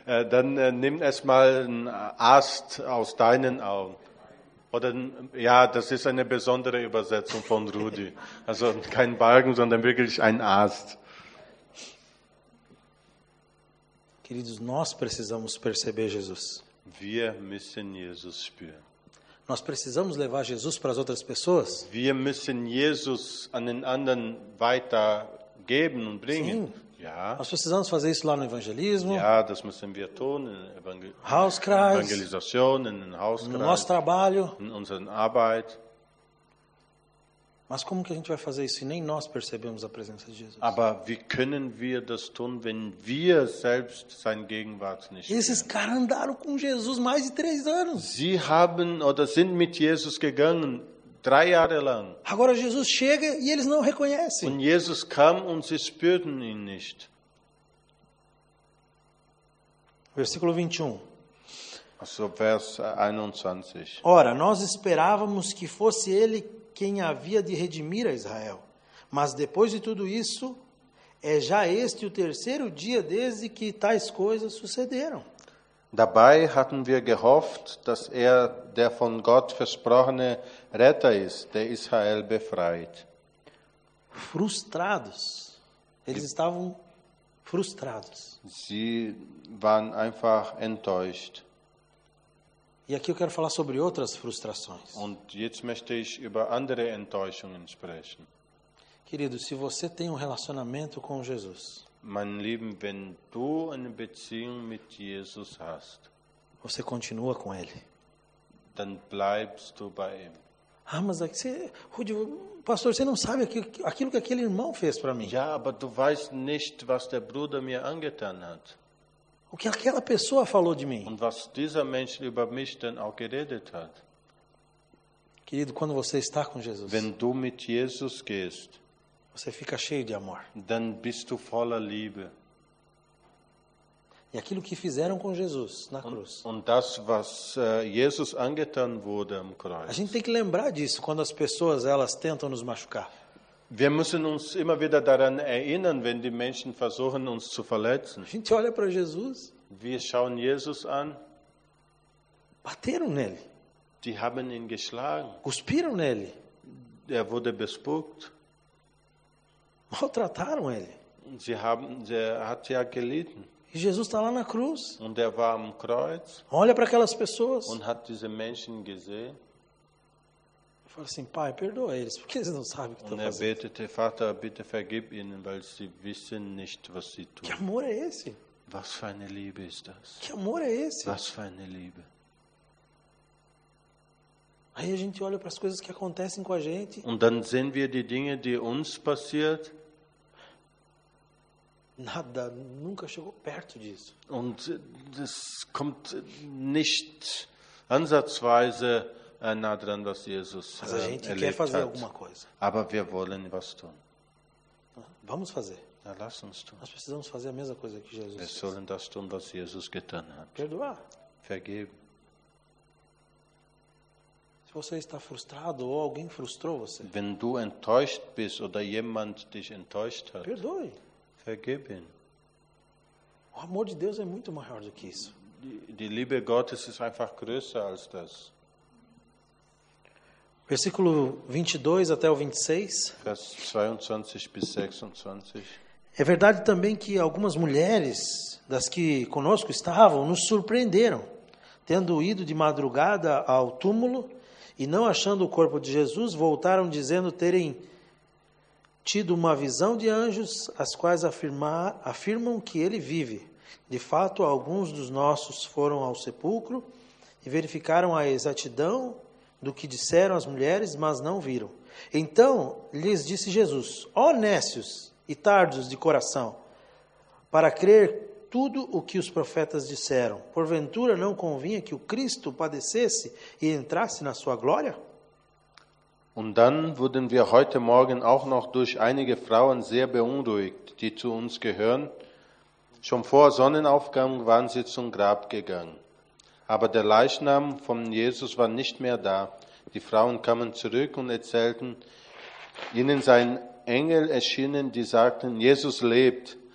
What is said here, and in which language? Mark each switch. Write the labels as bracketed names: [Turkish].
[German] Dann nimm erstmal einen Ast aus deinen Augen. Oder, ja, das ist eine besondere Übersetzung von Rudi. Also kein Balken, sondern wirklich ein Ast. [Portuguese] Queridos, nós precisamos perceber Jesus. [German] Wir müssen Jesus spüren. [Portuguese] Nós precisamos levar Jesus para as outras pessoas. [German] Wir müssen Jesus an den anderen weitergeben und bringen. [Portuguese] Sim. [German] Ja. [Portuguese] Nós precisamos fazer isso lá no evangelismo. [German] Ja, das müssen wir tun in Hauskreis. Evangelisation in den Hauskreis. [Portuguese] No nosso trabalho. [German] In unseren Arbeit. [Portuguese] Mas como que a gente vai fazer isso se nem nós percebemos a presença de Jesus? [German] Aber wie können wir das tun, wenn wir selbst seine Gegenwart nicht spüren? [Portuguese] Esses caras andaram com Jesus mais de 3 anos. [German] Sie haben oder sind mit Jesus gegangen 3 Jahre lang. [Portuguese] Agora Jesus chega e eles não reconhecem. [German] Und Jesus kam und sie spürten ihn nicht. [Portuguese] Versículo 21. [German] Also Vers 21. [Portuguese] Ora, nós esperávamos que fosse ele quem havia de redimir a Israel. Mas depois de tudo isso, é já este o terceiro dia desde que tais coisas sucederam. [German] Dabei hatten wir gehofft, dass der von Gott versprochene Retter ist, der Israel befreit. [Portuguese] Frustrados. Eles estavam frustrados. [German] Sie waren einfach enttäuscht. [Portuguese] E aqui eu quero falar sobre outras frustrações. [German] Und jetzt möchte ich über andere Enttäuschungen sprechen. [Portuguese] Querido, se você tem um relacionamento com Jesus. [German] Mein Lieben, wenn du eine Beziehung mit Jesus hast. [Portuguese] Você continua com ele. [German] Dann bleibst du bei ihm. [Portuguese] Ah, mas você, Rudi, pastor, você não sabe aquilo que aquele irmão fez para mim. [German] Ja, aber du weißt nicht, was der Bruder mir angetan hat. [Portuguese] O que aquela pessoa falou de mim? [German] Und was dieser Mensch über mich denn auch geredet hat? [Portuguese] Querido, quando você está com Jesus, [German] wenn du mit Jesus gehst, [Portuguese] você fica cheio de amor. [German] Dann bist du voller Liebe. [Portuguese] E aquilo que fizeram com Jesus na [German] und, [Portuguese] cruz. [German] Und das, was Jesus angetan wurde am Kreuz. [Portuguese] A gente tem que lembrar disso quando as pessoas elas tentam nos machucar. [German] Wir müssen uns immer wieder daran erinnern, wenn die Menschen versuchen, uns zu verletzen. [Portuguese] A gente olha para Jesus. [German] Wir schauen Jesus an. [Portuguese] Bateram nele. [German] Die haben ihn geschlagen. [Portuguese] Cuspiram nele. [German] er wurde bespuckt. [Portuguese] Maltrataram ele. [German] Er hat ja gelitten. [Portuguese] E Jesus está lá na cruz. [German] Und er war am Kreuz. [Portuguese] Olha para aquelas pessoas. [German] Und hat diese Menschen gesehen. [Portuguese] Fala assim, pai, perdoa eles, porque eles não sabem o que estão fazendo. [German] Betete, Vater, bitte vergib ihnen, weil sie wissen nicht, was sie tun. [Portuguese] Que amor é esse? [German] Was für eine Liebe ist das? [Portuguese] Que amor é esse? [German] Was für eine Liebe? [Portuguese] Aí a gente olha para as coisas que acontecem com a gente. [German] Und dann sehen wir die Dinge, die uns passiert. [Portuguese] Nada nunca chegou perto disso. [German] Und das kommt nicht ansatzweise nah dran, was Jesus erlebt hat. [Portuguese] Mas a gente quer fazer alguma coisa. [German] Aber wir wollen was tun. [Portuguese] Vamos fazer. [German] Ja, lass uns tun. [Portuguese] Nós precisamos fazer a mesma coisa que Jesus fez. [German] Wir sollen das tun, was Jesus getan hat. [Portuguese] Perdoar. [German] Vergeben. [Portuguese] Se você está frustrado ou alguém frustrou você. [German] Wenn du enttäuscht bist oder jemand dich enttäuscht hat. [Portuguese] Perdoe. [German] Vergeben. [Portuguese] O amor de Deus é muito maior do que isso. [German] Die Liebe Gottes ist einfach größer als das. [Portuguese] Versículo 22 até o 26. [German] Vers 22 bis 26. [Portuguese] É verdade também que algumas mulheres das que conosco estavam nos surpreenderam, tendo ido de madrugada ao túmulo e não achando o corpo de Jesus, voltaram dizendo terem tido uma visão de anjos, as quais afirmam que ele vive. De fato, alguns dos nossos foram ao sepulcro e verificaram a exatidão do que disseram as mulheres, mas não viram. Então, lhes disse Jesus, ó néscios e tardos de coração, para crer tudo o que os profetas disseram, porventura não convinha que o Cristo padecesse e entrasse na sua glória? [German] Und dann wurden wir heute Morgen auch noch durch einige Frauen sehr beunruhigt, die zu uns gehören. Schon vor Sonnenaufgang waren sie zum Grab gegangen. Aber der Leichnam von Jesus war nicht mehr da. Die Frauen kamen zurück und erzählten, ihnen seien Engel erschienen, die sagten, Jesus lebt.